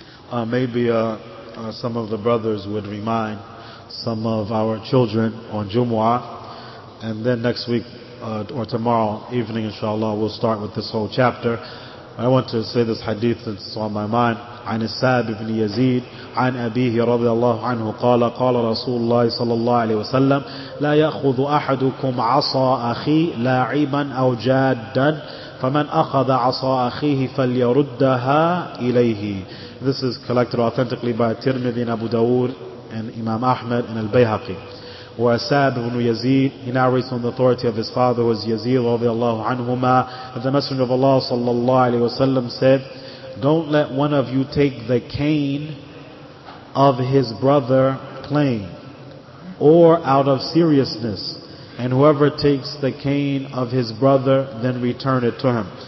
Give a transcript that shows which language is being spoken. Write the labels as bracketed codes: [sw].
[en] Some of the brothers would remind some of our children on Jumu'ah. And then next week or tomorrow evening, inshallah, we'll start with this whole chapter. I want to say this hadith that's on my mind. [ar] عن السائب بن يزيد عن أبيه رضي الله عنه قال قال رسول الله صلى الله عليه وسلم لا يأخذ أحدكم عصا أخي لاعبا أو جادا فمن أخذ عصا أخيه فليردها إليه. [en] This is collected authentically by Tirmidhi and Abu Dawood and Imam Ahmed and Al-Bayhaqi. Where Sa'd ibn Yazid, he narrates on the authority of his father, was Yazid [ar] رضي الله عنهما, [en] that the Messenger of Allah [ar] صلى الله عليه وسلم [en] said, don't let one of you take the cane of his brother playing or out of seriousness, and whoever takes the cane of his brother, then return it to him.